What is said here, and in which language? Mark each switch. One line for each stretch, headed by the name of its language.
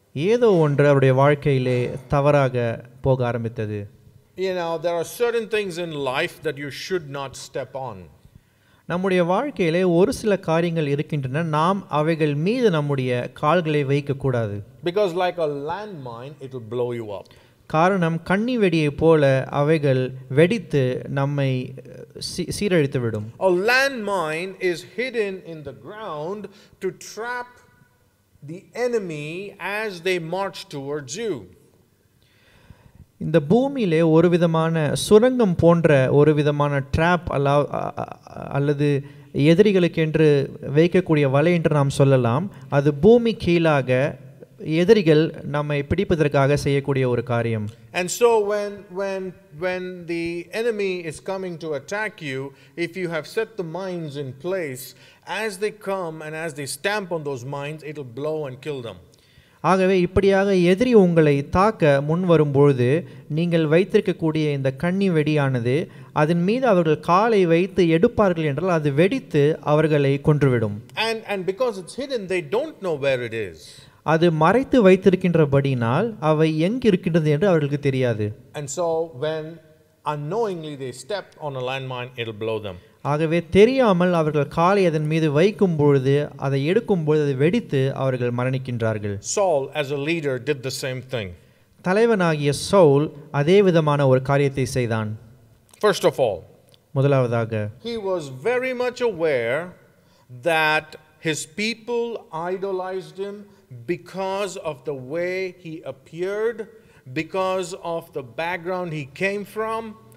Tamil: ஏதோ ஒன்று அவருடைய வாழ்க்கையிலே தவறாக போக ஆரம்பித்தது.
English: You know, there are certain things in life that you should not step on.
Tamil: நம்முடைய வாழ்க்கையிலே ஒரு சில காரியங்கள் இருக்கின்றன, நாம் அவைகள் மீது நம்முடைய கால்களை வைக்க கூடாது.
English: Because like a landmine, it will blow you up.
Tamil: காரணம் கண்ணி வெடியை போல அவைகள் வெடித்து நம்மை சீரழித்து விடும்.
English: A landmine is hidden in the ground to trap the enemy as they march towards you.
Tamil: இந்த பூமியிலே ஒரு விதமான சுரங்கம் போன்ற ஒரு விதமான ட்ராப் அல்லது எதிரிகளுக்கு என்று வைக்கக்கூடிய வலை என்று நாம் சொல்லலாம். அது பூமி கீழாக எதிரிகள் நம்மை பிடிப்பதற்காக செய்யக்கூடிய ஒரு காரியம்.
English: And so when the enemy is coming to attack you, if you have set the mines in place, as they come and as they stamp on those mines, it'll blow and kill them.
Tamil: ஆகவே இப்படியாக எதிரி உங்களை தாக்க முன்வரும் பொழுது நீங்கள் வைத்திருக்கக்கூடிய இந்த கண்ணி வெடியானது அதன் மீது அவர்கள் காலை வைத்து எடுப்பார்கள் என்றால் அது வெடித்து அவர்களை கொன்றுவிடும்.
English: And because it's hidden, they don't know where it is.
Tamil: அது மறைத்து வைத்திருக்கின்றபடியால் அவை எங்கு இருக்கின்றது என்று அவர்களுக்கு தெரியாது.
English: And so when unknowingly they step on a landmine, it'll blow them.
Tamil: ஆகவே தெரியாமல் அவர்கள் காலை அதன் மீது வைக்கும் பொழுது அதை எடுக்கும் பொழுது அதை வெடித்து அவர்கள் மரணிக்கின்றார்கள்.
English: Saul as a leader did the same thing.
Tamil: தலைவனாகிய சவுல் அதே விதமான ஒரு காரியத்தை செய்தான்.
English: First of all,
Tamil: முதலாவதாக,
English: he was very much aware that his people idolized him because of the way he appeared, because of the background he came from.